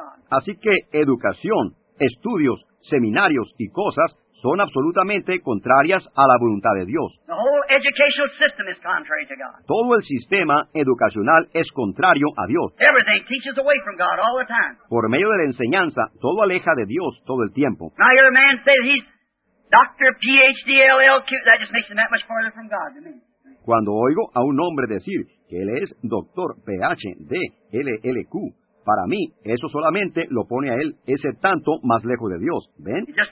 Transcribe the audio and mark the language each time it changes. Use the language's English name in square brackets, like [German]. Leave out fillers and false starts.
[Spanish] Así que educación, estudios, seminarios y cosas son absolutamente contrarias a la voluntad de Dios. [English] The whole educational system is contrary to God. [Spanish] Todo el sistema educacional es contrario a Dios. [English] Everything teaches away from God all the time. [Spanish] Por medio de la enseñanza, todo aleja de Dios todo el tiempo. [English] Now I hear a man say that he's Dr. PhD, LLQ. That just makes him that much farther from God than me. [Spanish] Cuando oigo a un hombre decir que él es Dr. PhD, LLQ, para mí, eso solamente lo pone a él ese tanto más lejos de Dios. ¿Ven?